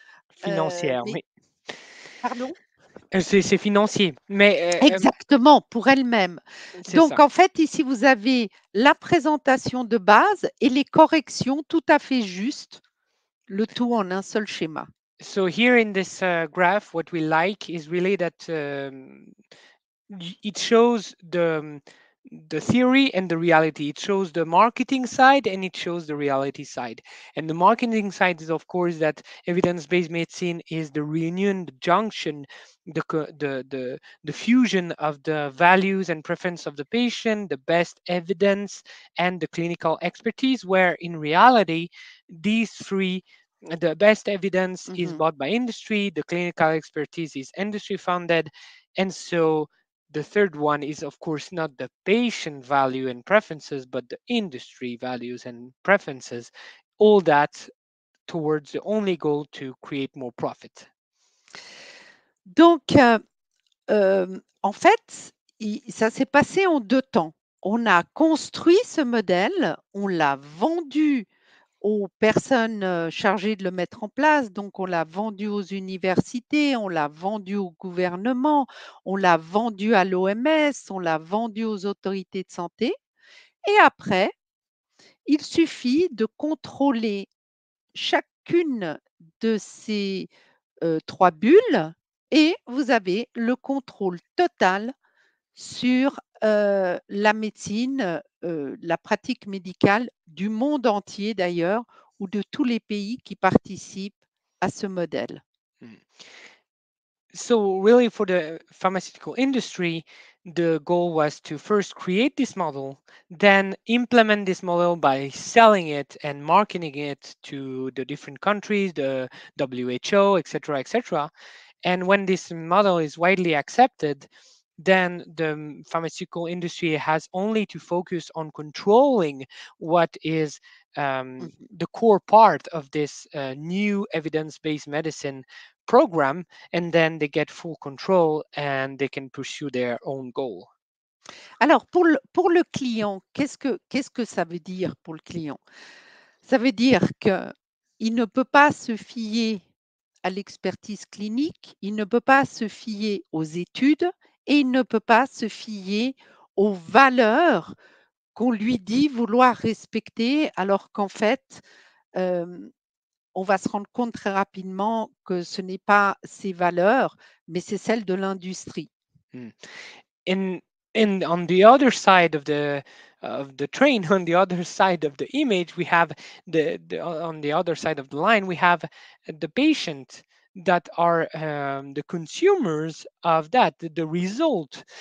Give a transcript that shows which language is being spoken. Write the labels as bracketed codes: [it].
[fr] Financière, Mais, oui. pardon? C'est financier, mais Exactement, pour elle-même. c'est Donc, ça. en fait, ici, vous avez la présentation de base et les corrections tout à fait justes, le tout en un seul schéma. [en] So here in this graph, what we like is really that it shows the theory and the reality. It shows the marketing side and it shows the reality side. And the marketing side is, of course, that evidence-based medicine is the reunion, the junction, the fusion of the values and preference of the patient, the best evidence, and the clinical expertise, where in reality, these three, the best evidence is bought by industry, the clinical expertise is industry-funded, and so the third one is, of course, not the patient value and preferences, but the industry values and preferences. All that towards the only goal to create more profit. [fr] Donc, en fait, ça s'est passé en deux temps. On a construit ce modèle, on l'a vendu aux personnes chargées de le mettre en place. Donc, on l'a vendu aux universités, on l'a vendu au gouvernement, on l'a vendu à l'OMS, on l'a vendu aux autorités de santé. Et après, il suffit de contrôler chacune de ces trois bulles et vous avez le contrôle total sur la médecine, la pratique médicale du monde entier d'ailleurs, ou de tous les pays qui participent à ce modèle. [en] So really for the pharmaceutical industry, the goal was to first create this model, then implement this model by selling it and marketing it to the different countries, the WHO, etc., etc. And when this model is widely accepted, then the pharmaceutical industry has only to focus on controlling what is the core part of this new evidence-based medicine program, and then they get full control and they can pursue their own goal. [fr] Alors, pour le client, qu'est-ce que ça veut dire pour le client? Ça veut dire qu'il ne peut pas se fier à l'expertise clinique, il ne peut pas se fier aux études, et il ne peut pas se fier aux valeurs qu'on lui dit vouloir respecter, alors qu'en fait, on va se rendre compte très rapidement que ce n'est pas ses valeurs, mais c'est celle de l'industrie. [en] And on the other side of the train, on the other side of the image, we have on the other side of the line, we have the patient that are the consumers of that, the result.